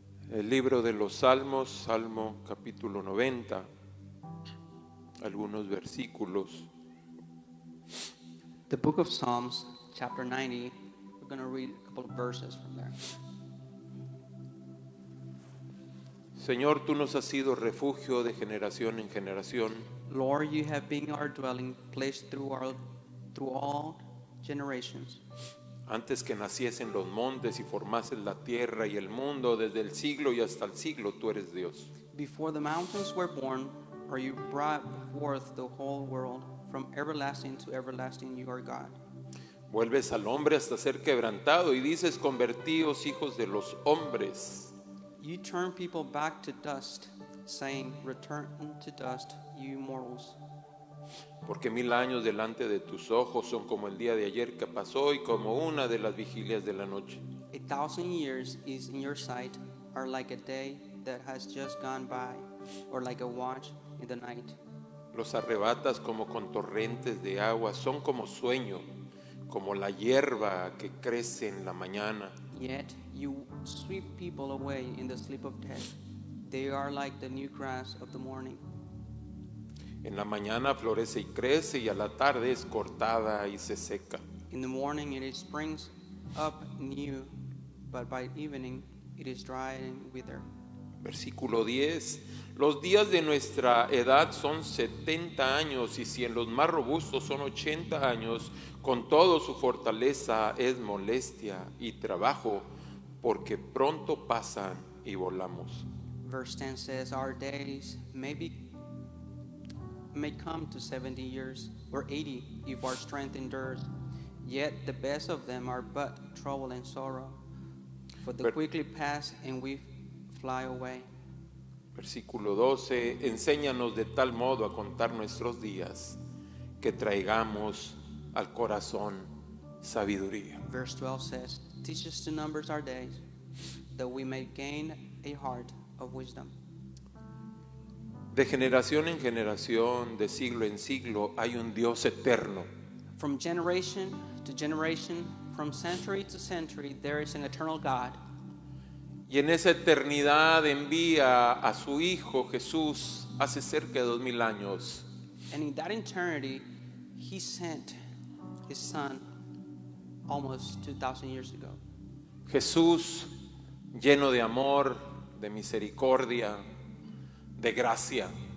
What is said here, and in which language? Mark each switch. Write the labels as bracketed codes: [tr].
[es] El libro de los Salmos, Salmo capítulo 90, algunos versículos. [en] The book of Psalms, chapter 90, we're going to read a couple of verses from there. [es] Señor, tú nos has sido refugio de generación en generación. [en] Lord, you have been our dwelling place through all generations. [es] Antes que naciesen los montes y formasen la tierra y el mundo, desde el siglo y hasta el siglo, tú eres Dios. [en] Before the mountains were born, or you brought forth the whole world, from everlasting to everlasting, you are God. [es] Vuelves al hombre hasta ser quebrantado y dices: convertíos, hijos de los hombres. [en] You turn people back to dust, saying: return to dust, you mortals. [es] Porque mil años delante de tus ojos son como el día de ayer que pasó y como una de las vigilias de la noche. [en] A thousand years is in your sight are like a day that has just gone by, or like a watch in the night. [es] Los arrebatas como con torrentes de agua, son como sueño, como la hierba que crece en la mañana. [en] Yet you sweep people away in the sleep of death. They are like the new grass of the morning. [es] En la mañana florece y crece, y a la tarde es cortada y se seca. [en] In the morning it springs up new, but by evening it is dry and wither. [es] Versículo 10. Los días de nuestra edad son 70 años, y si en los más robustos son 80 años, con todo su fortaleza es molestia y trabajo, porque pronto pasan y volamos. [en] Verse 10 says, our days may come to 70 years or 80 if our strength endures, yet the best of them are but trouble and sorrow, for they quickly pass and we fly away. [es] Versículo 12, enséñanos de tal modo a contar nuestros días que traigamos al corazón sabiduría. [en] Verse 12 says, teach us to number our days that we may gain a heart of wisdom. [es] De generación en generación, de siglo en siglo, hay un Dios eterno. [en] From generation to generation, from century to century, there is an eternal God. [es] Y en esa eternidad envía a su Hijo Jesús hace cerca de 2,000 años. [en] And in that eternity, he sent his Son almost 2,000 years ago. [es] Jesús, lleno de amor, de misericordia, de gracia.